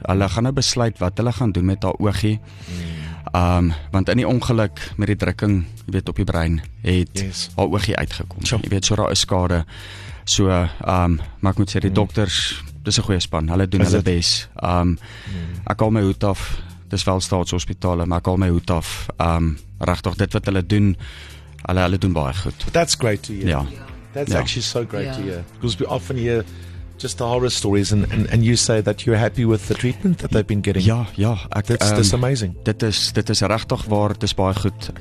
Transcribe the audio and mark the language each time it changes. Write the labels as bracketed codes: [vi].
[af] Hulle gaan nou besluit wat hulle gaan doen met haar oogie. Want in die ongeluk met die drukking, weet, op die brein, het haar oogie uitgekom. Tjoh. Je weet, so daar is skade. So, maar ek moet sê, die dokters, dit is 'n goeie span, hulle doen hulle bes. Ek haal my hoed af, dit is wel staatshospitale, maar ek haal my hoed af. Regtig, dit wat hulle doen, hulle doen baie goed. [en] That's great to hear. [af] Ja. [en] That's actually so great to hear. Because we often hear just the horror stories and you say that you're happy with the treatment that they've been getting. [af] Ja, ja. [en] That's amazing. [af] Dit is regtig waar, dit is baie goed.